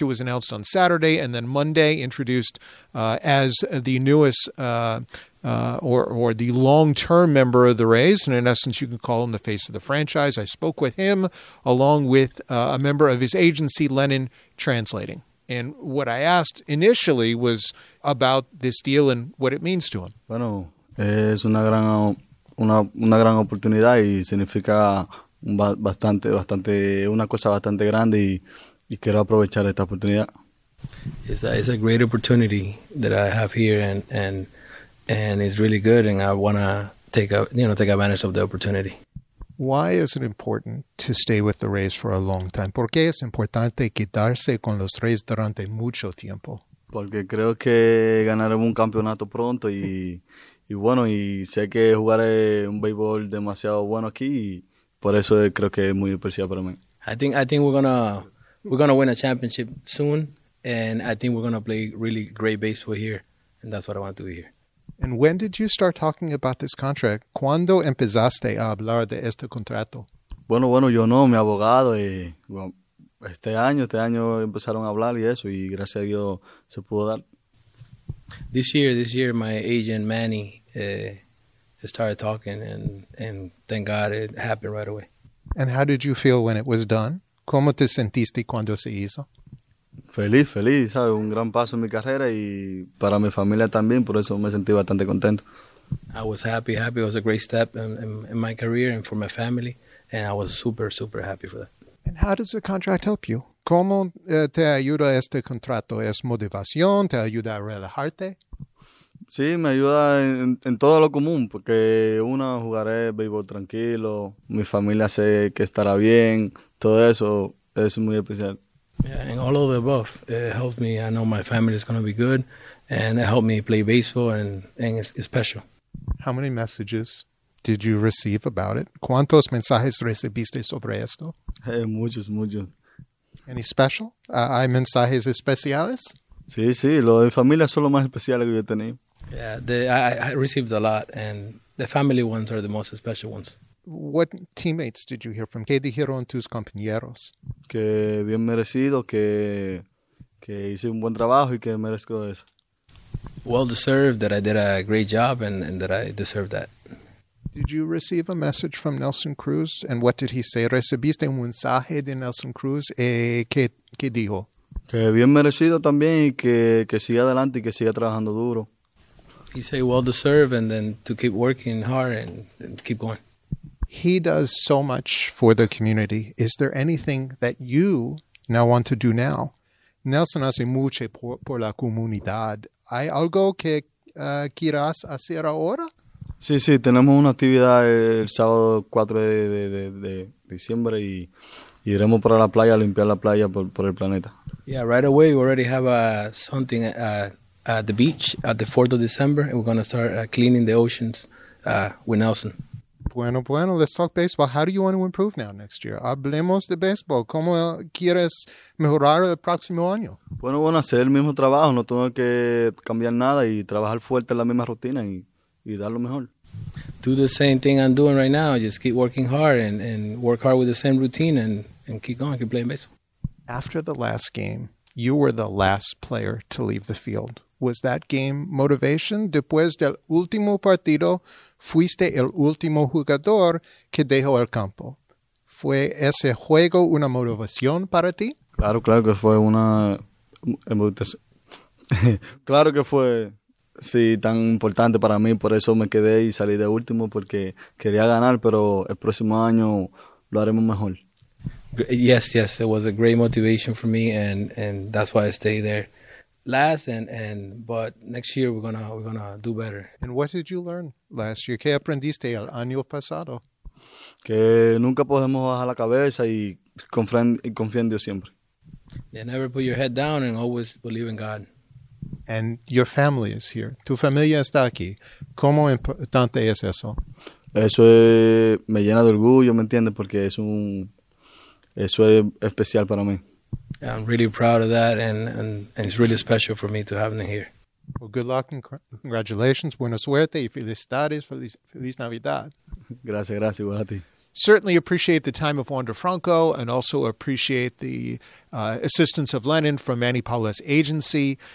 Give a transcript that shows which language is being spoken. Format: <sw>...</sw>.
<en>It was announced on Saturday, and then Monday introduced as the newest or the long-term member of the Rays, and in essence, you can call him the face of the franchise. I spoke with him along with a member of his agency, Lennon Translating. And what I asked initially was about this deal and what it means to him.</en> <es>Bueno, es una gran oportunidad y significa una cosa bastante grande y quiero aprovechar esta oportunidad.</es> <en>It's a great opportunity that I have here and it's really good, and I want to take advantage of the opportunity. Why is it important to stay with the Rays for a long time?</en> <es>¿Por qué es importante quedarse con los Rays durante mucho tiempo? Porque creo que ganaremos un campeonato pronto y sé que jugaré un béisbol demasiado bueno aquí y por eso creo que es muy especial para mí.</es> <en>I think we're gonna win a championship soon, and I think we're gonna play really great baseball here, and that's what I want to be here. And when did you start talking about this contract?</en> <es>¿Cuándo empezaste a hablar de este contrato? Bueno, yo no, mi abogado. Este año empezaron a hablar y eso, y gracias a Dios se pudo dar.</es> <en>This year, my agent Manny started talking, and thank God it happened right away. And how did you feel when it was done?</en> <es>¿Cómo te sentiste cuando se hizo? Feliz, ¿sabes? Un gran paso en mi carrera y para mi familia también, por eso me sentí bastante contento.</es> <en>I was happy. It was a great step in my career and for my family, and I was super, super happy for that. And how does the contract help you?</en> <es>¿Cómo te ayuda este contrato? ¿Es motivación? ¿Te ayuda a relajarte? Sí, me ayuda en todo lo común, porque una, jugaré béisbol tranquilo, mi familia sé que estará bien, todo eso es muy especial.</es> <en>Yeah, and all of the above, it helped me. I know my family is going to be good, and it helped me play baseball, and it's special. How many messages did you receive about it?</en> <es>¿Cuántos mensajes recibiste sobre esto? Muchos.</es> <en>Any special?</en> <es>¿Hay mensajes especiales? Sí, lo de familia son lo más especial que yo tenía.</es> <en>Yeah, I received a lot, and the family ones are the most special ones. What teammates did you hear from?</en> <es>¿Qué dijeron tus compañeros? Que bien merecido, que hice un buen trabajo y que merezco eso.</es> <en>Well deserved, that I did a great job and that I deserve that. Did you receive a message from Nelson Cruz? And what did he say?</en> <es>¿Recibiste un mensaje de Nelson Cruz? ¿Qué dijo? Que bien merecido también y que siga adelante y que siga trabajando duro.</es> <en>He said well deserved and then to keep working hard and keep going. He does so much for the community. Is there anything that you now want to do now?</en> <es>Nelson hace mucho por la comunidad. ¿Hay algo que quieras hacer ahora? Sí, sí, tenemos una actividad el sábado 4 de diciembre y iremos para la playa a limpiar la playa por el planeta.</es> <en>Yeah, right away we already have something at the beach at the 4th of December and we're going to start cleaning the oceans with Nelson.</en> <es>Bueno, bueno,</es> <en>let's talk baseball. How do you want to improve now next year?</en> <es>Hablemos de baseball. ¿Cómo quieres mejorar el próximo año? Bueno, bueno, hacer el mismo trabajo. No tengo que cambiar nada y trabajar fuerte en la misma rutina y dar lo mejor.</es> <en>Do the same thing I'm doing right now. Just keep working hard and work hard with the same routine and keep going. Keep playing baseball. After the last game, you were the last player to leave the field. Was that game motivation?</en> <es>Después del último partido, fuiste el último jugador que dejó el campo. ¿Fue ese juego una motivación para ti? Claro, claro que fue una motivación. Claro que fue, sí, tan importante para mí. Por eso me quedé y salí de último, porque quería ganar, pero el próximo año lo haremos mejor.</es> <en>Yes, yes, it was a great motivation for me, and that's why I stayed there. Last and but next year we're gonna do better. And what did you learn last year?</en> <es>¿Qué aprendiste el año pasado? Que nunca podemos bajar la cabeza y confiar en Dios siempre.</es> <en>Yeah, never put your head down and always believe in God. And your family is here.</en> <es>Tu familia está aquí. ¿Cómo importante es eso? Eso es, me llena de orgullo, ¿me entiendes? Porque es un eso es especial para mí.</es> <en>I'm really proud of that, and it's really special for me to have them here. Well, good luck and congratulations.</en> <es>Buena suerte y felicidades. Feliz Navidad. Gracias, gracias. Igual a ti.</es> <en>Certainly appreciate the time of Wander Franco, and also appreciate the assistance of Lennon from Manny Paolo's agency.</en>